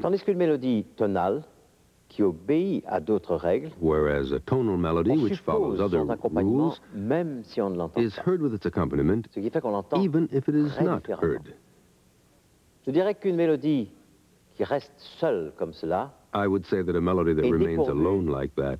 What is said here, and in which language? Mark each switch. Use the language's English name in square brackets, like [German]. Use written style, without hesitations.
[French] Tandis qu'une mélodie tonale, qui obéit à d'autres règles, [English] whereas a tonal melody which follows other rules, [French] même si on ne l'entend pas, [English] is heard with its accompaniment, [French] ce qui fait qu'on l'entend [English] even if it is not heard. [French] Je dirais qu'une mélodie qui reste seule comme cela, [English] I would say that a melody that remains alone like that,